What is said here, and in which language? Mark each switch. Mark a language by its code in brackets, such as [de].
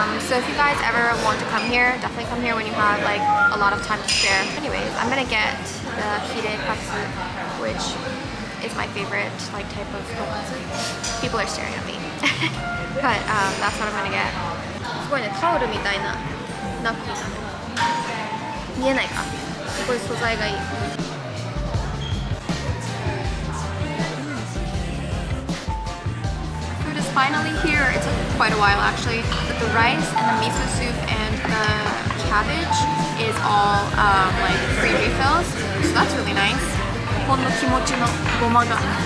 [en] So if you guys ever want to come here, definitely come here when you have like a lot of time to spare. Anyways, I'm gonna get the hide katsu, which is my favorite like type of katsu. People are staring at me, but that's what I'm gonna get. [ja] すごいね、タオルみたいなナプキンなの。見えないか。すごい素材がいい。 [en] Food is finally here. It took quite a while actually. But the rice and the miso soup and the cabbage is all like free refills. So that's really nice. [ja] 日本の気持ちのごまが